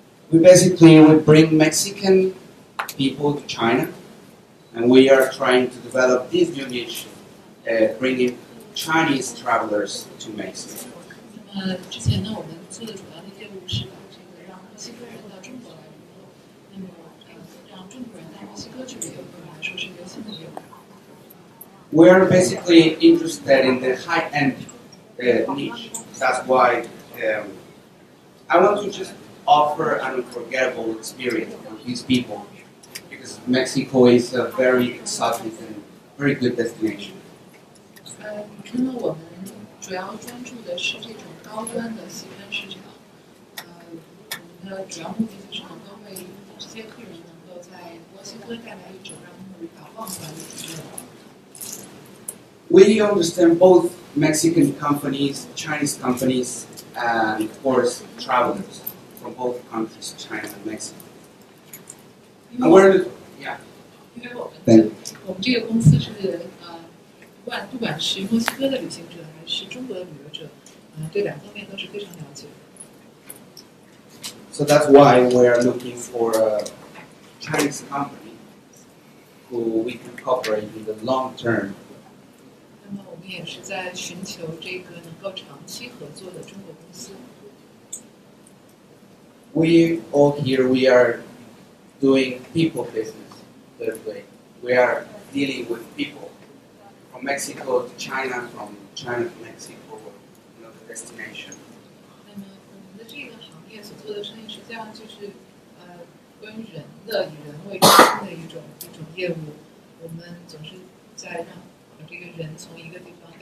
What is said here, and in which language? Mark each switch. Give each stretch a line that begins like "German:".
English: We bring Mexican people to China, and we are trying to develop this new niche, bringing Chinese travelers to Mexico.
Chinese: 那么之前呢，我们做的主要的业务是把这个让墨西哥人到中国来旅游，那么让中国人到墨西哥去旅游，对我们来说是一个新的业务。
English: We are basically interested in the high-end niche. That's why I want to just offer an unforgettable experience for his people, because Mexico is a very exotic and very good destination.
Chinese: 那我们主要专注的是这种高端的西餐市场。我们的主要目的就是能够为这些客人能够在墨西哥带来一种让他们无法忘怀的体验。
English: We understand both Mexican companies, Chinese companies, and of course travelers from both countries, China and Mexico. And we're, yeah. Because we, then.
Chinese: 我们这个公司是不管是墨西哥的旅行者还是中国的旅游者，对两方面都是非常了解。
English: So that's why we are looking for a Chinese company who we can cooperate in the long term.
Chinese: 也是在寻求这个能够长期合作的中国公司。
English: We all here, we are doing people business, that way. We are dealing with people from Mexico to China, from China to Mexico, you know, the destination.
Chinese: 那么我们的这个行业所做的生意实际上就是关于人的以人为中心的一种业务。我们总是在让这个人从一个地方